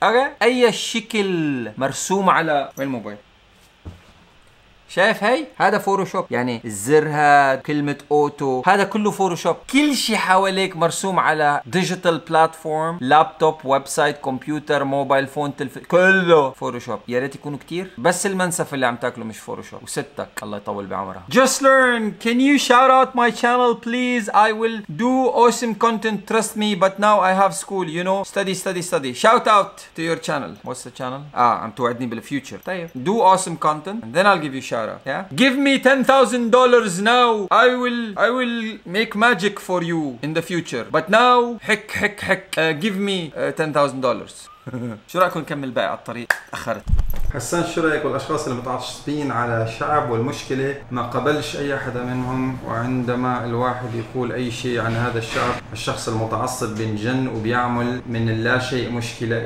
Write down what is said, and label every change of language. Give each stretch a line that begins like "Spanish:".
Arabic: اوكي اي شكل مرسوم على وين الموبايل، شايف هاي؟ هذا فوتوشوب، يعني الزر هاد، كلمة اوتو، هذا كله فوتوشوب. كل شيء حواليك مرسوم على ديجيتال بلاتفورم، لابتوب، ويب سايت، كمبيوتر، موبايل فون، تلفزيون، كله فوتوشوب. يا ريت يكونوا كتير، بس المنسف اللي عم تاكله مش فوتوشوب. وستك الله يطول بعمرها.
English: Just learn, can you shout out my channel please? I will do awesome content, trust me, but now I have school, you know, study study study. Shout out to your channel. What's the channel?
Arabic: I'm توعدني بالفيوتشر.
English: طيب do awesome content and then I'll give you شارة. Yeah. Give me $10,000 now. I will make magic for you in the future. But now, heck, heck, heck. Give me $10,000.
Arabic: شو رأيكم نكمل باقي على الطريق؟ أخرت. حسان شو رأيك والأشخاص المتعصبين على شعب والمشكلة؟ ما قبلش أي حدا منهم، وعندما الواحد يقول أي شيء عن هذا الشعب الشخص المتعصب بنجن وبيعمل من اللا شيء مشكلة.